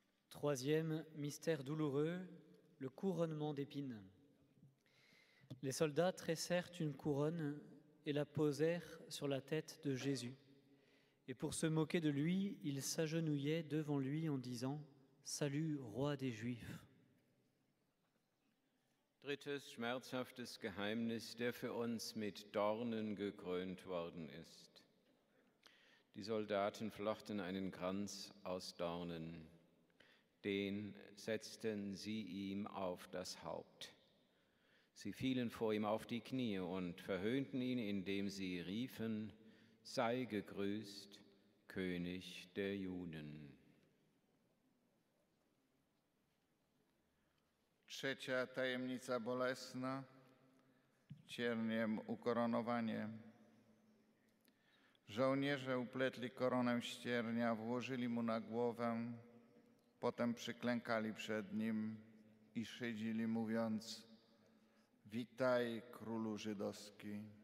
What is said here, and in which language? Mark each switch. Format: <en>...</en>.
<fr>Troisième mystère douloureux, le couronnement d'épines. Les soldats tressèrent une couronne et la posèrent sur la tête de Jésus. Et pour se moquer de lui, ils s'agenouillaient devant lui en disant « Salut, roi des Juifs ».</fr> <de>Drittes schmerzhaftes Geheimnis, der für uns mit Dornen gekrönt worden ist. Die Soldaten flochten einen Kranz aus Dornen. Den setzten sie ihm auf das Haupt. Sie fielen vor ihm auf die Knie und verhöhnten ihn, indem sie riefen, sei gegrüßt, König der Juden.</de> <pl>Trzecia tajemnica bolesna, cierniem ukoronowanie. Żołnierze upletli koronę z ciernia, włożyli mu na głowę, potem przyklękali przed nim i szydzili, mówiąc, witaj, królu żydowski.</pl>